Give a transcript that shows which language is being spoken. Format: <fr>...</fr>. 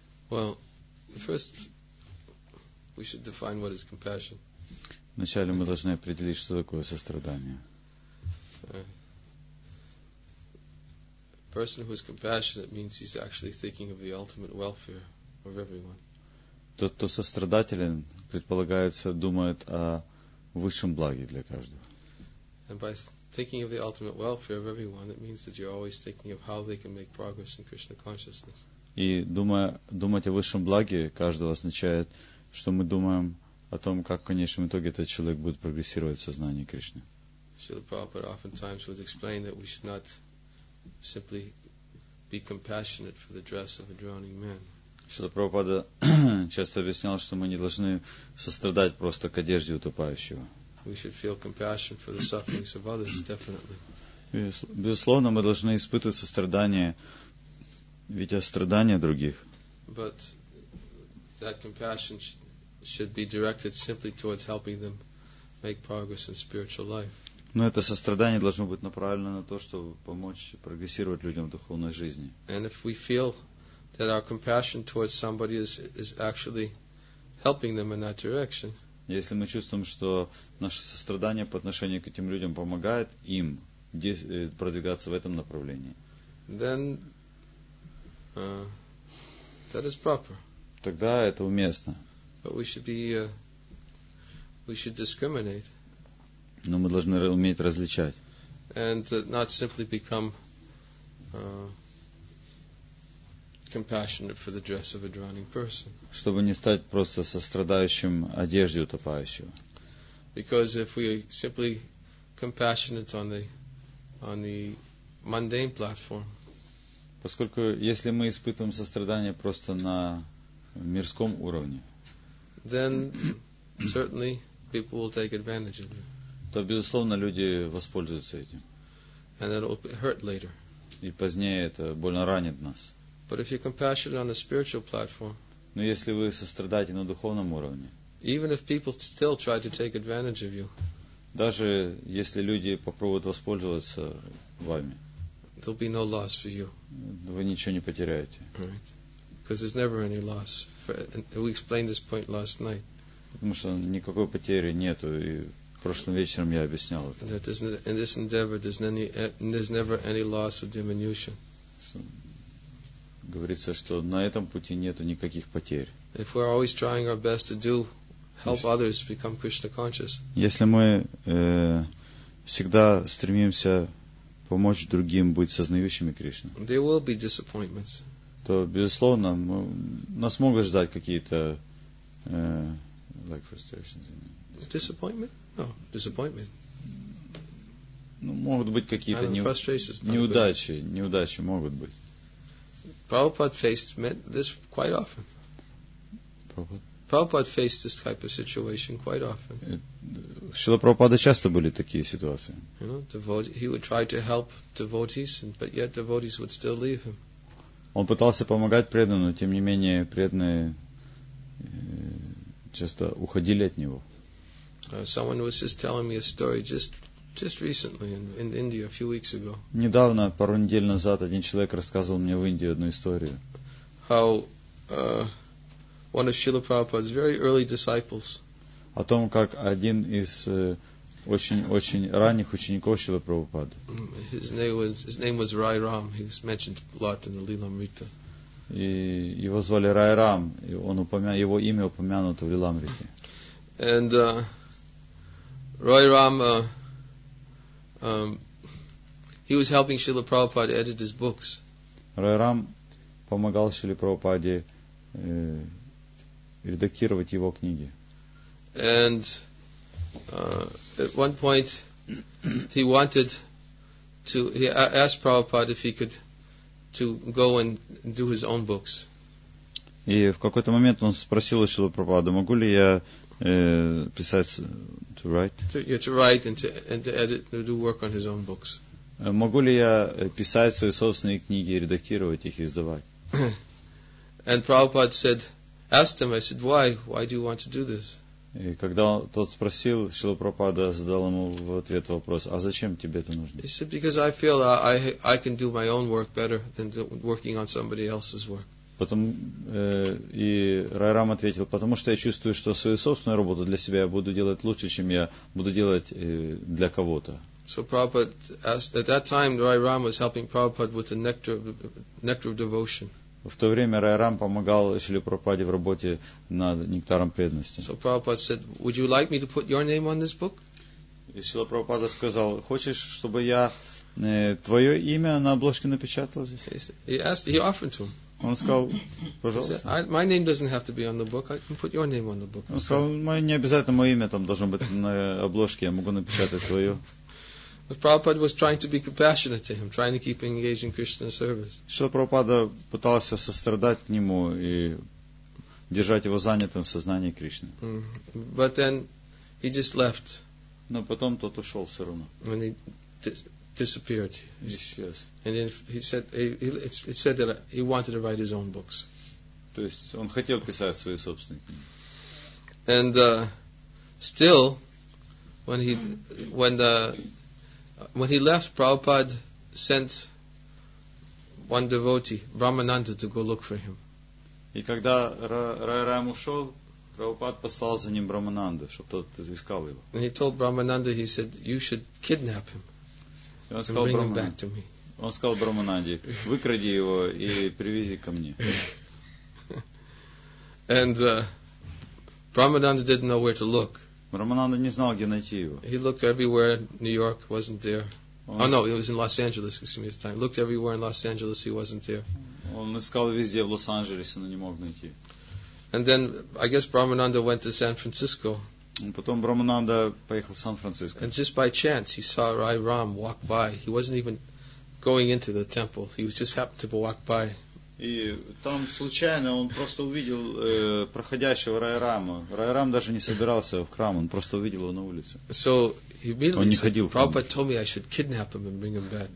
<en>Well, first we should define what is compassion.</en> <ru>Вначале мы должны определить, что такое сострадание.</ru> <en>A person who is compassionate means he's actually thinking of the ultimate welfare of everyone.</en> <ru>Тот, кто сострадателен, предполагается, думает о высшем благе для каждого.</ru> <en>And by thinking of the ultimate welfare of everyone, it means that you're always thinking of how they can make progress in Krishna consciousness.</en> <ru>И думать о высшем благе каждого означает, что мы думаем о том, как в конечном итоге этот человек будет прогрессировать в сознании Кришны.</ru> <en>Шрила Прабхупада oftentimes would explain that we should not simply be compassionate for the dress of a drowning man.</en> <ru>Шрила Прабхупада часто объяснял, что мы не должны сострадать просто к одежде утопающего.</ru> <en>We should feel compassion for the sufferings of others, definitely.</en> <ru>Безусловно, мы должны испытывать сострадание, видя страдания других.</ru> <en>But that compassion should be directed simply towards helping them make progress in spiritual life.</en> <ru>Но это сострадание должно быть направлено на то, чтобы помочь прогрессировать людям в духовной жизни.</ru> <en>And if we feel that our compassion towards somebody is actually helping them in that direction.</en> <ru>Если мы чувствуем, что наше сострадание по отношению к этим людям помогает им продвигаться в этом направлении.</ru> <en>Then that is proper.</en> <ru>Тогда это уместно.</ru> <en>But we should discriminate.</en> <ru>Но мы должны уметь различать.</ru> <en>And not simply become compassionate for the dress of a drowning person.</en> <ru>Чтобы не стать просто сострадающим одежде утопающего.</ru> <en>Because if we are simply compassionate on the mundane platform.</en> <ru>Поскольку если мы испытываем сострадание просто на мирском уровне.</ru> <en>Then certainly people will take advantage of you.</en> <ru>То безусловно люди воспользуются этим.</ru> <en>And it will hurt later.</en> <ru>И позднее это больно ранит нас.</ru> <en>But if you're compassionate on the spiritual platform.</en> <ru>Но если вы сострадаете на духовном уровне.</ru> <en>Even if people still try to take advantage of you.</en> <ru>Даже если люди попробуют воспользоваться вами.</ru> <en>There'll be no loss for you.</en> <ru>Вы ничего не потеряете.</ru> <en>Right. Because there's never any loss. And we explained this point last night.</en> <ru>Потому что никакой потери нету. И прошлым вечером я объяснял это.</ru> <en>That in this endeavor there's never any loss or diminution.</en> <ru>Говорится, что на этом пути нету никаких потерь.</ru> <en>If we're always trying our best to do, help others become Krishna conscious.</en> <ru>Если мы всегда стремимся помочь другим быть сознающими Кришну.</ru> <en>There will be disappointments.</en> <ru>То безусловно нас могут ждать какие-то frustrations.</ru> <en>Disappointment? No, disappointment.</en> <ru>Ну, могут быть какие-то неудачи. Неудачи могут быть.</ru> <en>Prabhupada faced this quite often. Prabhupada faced this type of situation quite often.</en> <ru>Шрила Прабхупада часто были такие ситуации.</ru> <en>He would try to help devotees, but yet devotees would still leave him.</en> <ru>Он пытался помогать преданным, но тем не менее преданные часто уходили от него.</ru> <en>Someone was just telling me a story just recently in India a few weeks ago.</en> <ru>Недавно, пару недель назад, один человек рассказывал мне в Индии одну историю.</ru> <en>How one of Srila Prabhupada's very early disciples.</en> <ru>О том, как один из очень-очень ранних учеников Шрилы Прабхупады.</ru> <en>His name was Rai Ram. He was mentioned a lot in the Лиламрита.</en> <ru>И его звали Рай Рам. И он его имя упомянуто в Лиламрите.</ru> <en>And Rai Ram, he was helping Srila Prabhupada edit his books.</en> <ru>Рай Рам помогал Шриле Прабхупаде редактировать его книги.</ru> <en>And at one point, he wanted to he asked Prabhupada if he could to go and do his own books.</en> <ru>И в какой-то момент он спросил у Шрилы Прабхупады, могу ли я писать,</ru> <en>to write? To write and to edit, to do work on his own books.</en> <ru>Могу ли я писать свои собственные книги, редактировать их и издавать?</ru> <en>And Prabhupada said, asked him, I said, why do you want to do this?</en> <ru>И когда тот спросил, Шрила Прабхупада задал ему в ответ вопрос, а зачем тебе это нужно?</ru> <en>He said, because I feel I can do my own work better than working on somebody else's work.</en> <ru>Потом и Райрам ответил, потому что я чувствую, что свою собственную работу для себя я буду делать лучше, чем я буду делать для кого-то.</ru> <en>So Prabhupada asked, at that time Райрам was helping Prabhupada with the nectar of devotion.</en> <ru>В то время Райрам помогал Шриле Прабхупаде в работе над нектаром преданности.</ru> <en>So Prabhupada said, would you like me to put your name on this book?</en> <ru>И Шрила Прабхупада сказал, хочешь, чтобы я твое имя на обложке напечатал здесь?</ru> <en>He offered to him.</en> <ru>Он сказал, пожалуйста.</ru> <en>My name doesn't have to be on the book. I can put your name on the book.</en> <ru>Он сказал, не обязательно мое имя там должно быть на обложке. Я могу напечатать твое.</ru> <en>But Prabhupada was trying to be compassionate to him, trying to keep him engaged in Krishna service.</en> <ru>Шрила Прабхупада пытался сострадать к нему и держать его занятым в сознании Кришны.</ru> <en>But then he just left.</en> <ru>Но потом тот ушел все равно.</ru> <en>When he disappeared. Yes. And then he said that he wanted to write his own books.</en> <ru>То есть он хотел писать свои собственные книги.</ru> <en>And still, when he left, Prabhupada sent one devotee, Brahmananda, to go look for him.</en> <ru>И когда Райрам ушел, Прабхупад послал за ним Брамананду, чтобы тот искал его.</ru> <en>And he told Brahmananda, he said, you should kidnap him.</en> <ru>Он сказал, Брамананде, выкради его и привези ко мне.</ru> <en>And Brahmananda didn't know where to look.</en> <ru>Брамананда не знал, где найти его.</ru> <en>He looked everywhere in New York, wasn't there. Oh no, it was in Los Angeles, excuse me, at the time. Looked everywhere in Los Angeles, he wasn't there.</en> <ru>Он искал везде в Лос-Анджелесе, но не мог найти.</ru> <en>And then, I guess Brahmananda went to San Francisco.</en> <ru>Потом Брамананда поехал в Сан-Франциско.</ru> <en>And just by chance, he saw Rai Ram walk by. He wasn't even going into the temple. He just happened to walk by.</en> <ru>И там случайно он просто увидел проходящего Рай Рама. Рай Рам даже не собирался в храм, он просто увидел его на улице.</ru> <en>So he immediately</en> <ru>он не ходил в храм.</ru> <en>Prabhupada told me I should kidnap him and bring him back.</en>